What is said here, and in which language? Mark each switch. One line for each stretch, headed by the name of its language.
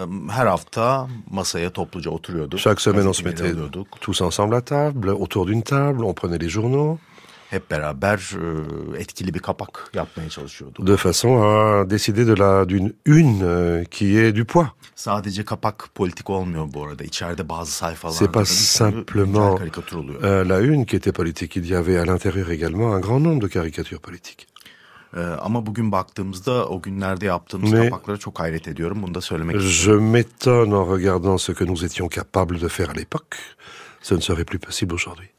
Turkish: Her hafta masaya topluca oturuyorduk.
French: Chaque semaine on se mettait tous ensemble à table, autour d'une table, on prenait les journaux.
Turkish: Hep beraber etkili bir kapak yapmaya çalışıyorduk.
French: De façon à décider de la d'une une qui est du poids.
Turkish: Sadece kapak politik olmuyor bu arada. İçeride bazı sayfalar.
French: C'est pas simplement la une qui était politique, il y avait à l'intérieur également un grand nombre de caricatures politiques.
Turkish: Ama bugün baktığımızda o günlerde yaptığımız mais kapaklara çok hayret ediyorum. Bunu da söylemek istiyorum.
French: Je m'étonne en regardant ce que nous étions capables de faire à l'époque. Ce ne serait plus possible aujourd'hui.